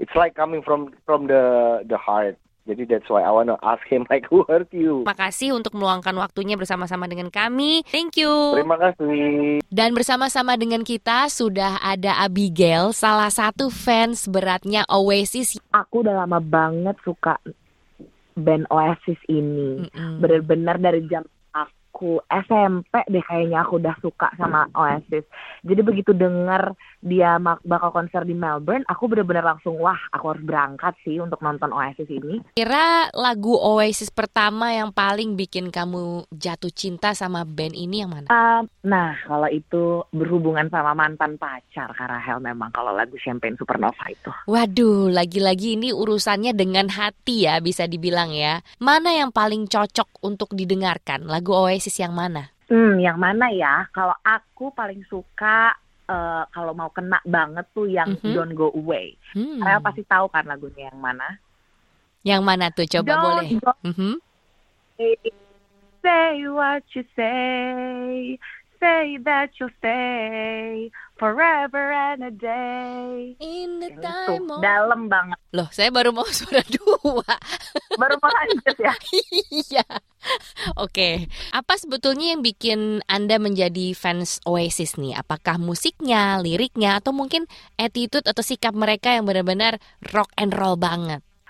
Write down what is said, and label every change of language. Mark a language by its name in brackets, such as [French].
[English] It's like coming from the heart. [Indonesian] Jadi [English] that's why I wanna ask him like who hurt you. [Indonesian] Makasih untuk meluangkan waktunya bersama-sama dengan kami. [English] Thank you. [Indonesian] Terima kasih. Dan bersama-sama dengan kita sudah ada Abigail, salah satu fans beratnya Oasis. Aku udah lama banget suka band Oasis ini. Benar-benar dari jam aku SMP deh kayaknya aku udah suka sama Oasis. Jadi begitu dengar dia bakal konser di Melbourne, aku benar-benar langsung, wah aku harus berangkat sih untuk nonton Oasis ini. Kira lagu Oasis pertama yang paling bikin kamu jatuh cinta sama band ini yang mana? Nah kalau itu berhubungan sama mantan pacar Kak Rahel, memang kalau lagu Champagne Supernova itu. Waduh, lagi-lagi ini urusannya dengan hati ya, bisa dibilang ya. Mana yang paling cocok untuk didengarkan? Lagu Oasis yang mana? Yang mana ya? Kalau aku paling suka kalau mau kena banget tuh yang Don't Go Away. Kalian pasti tahu kan lagunya yang mana? Yang mana tuh? Coba [English] don't [Indonesian] boleh. [English] Go, say what you say, say that you'll stay forever and a day. In the time of... [Indonesian] Dalam banget. Loh, saya baru mau suara dua. Baru mau lanjut ya? Iya. Oke, okay. Apa sebetulnya yang bikin Anda menjadi fans Oasis nih? Apakah musiknya, liriknya, atau mungkin attitude atau sikap mereka yang benar-benar rock and roll banget?